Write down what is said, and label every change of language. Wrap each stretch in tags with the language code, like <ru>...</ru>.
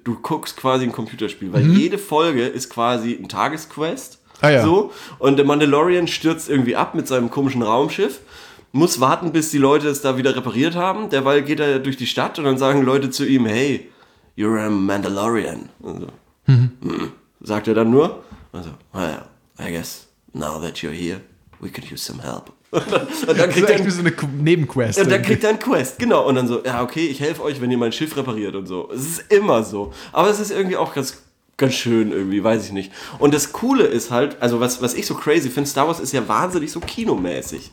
<de>Du guckst quasi ein Computerspiel, weil jede Folge ist quasi ein Tagesquest. Ah, ja. So, und der Mandalorian stürzt irgendwie ab mit seinem komischen Raumschiff. Muss warten, bis die Leute es da wieder repariert haben. Derweil geht er durch die Stadt und dann sagen Leute zu ihm,</de> <en>hey, you're a Mandalorian.</en> <de>Also, sagt er dann nur.</de> <en>Also, well, I guess now that you're here, we could use some help.</en> <de>Und dann kriegt er so eine Nebenquest. Und dann kriegt er einen Quest, genau. Und dann so, ja, okay, ich helfe euch, wenn ihr mein Schiff repariert und so. Es ist immer so. Aber es ist irgendwie auch ganz, ganz schön irgendwie, weiß ich nicht. Und das Coole ist halt, also was ich so crazy finde, Star Wars ist ja wahnsinnig so kinomäßig.</de>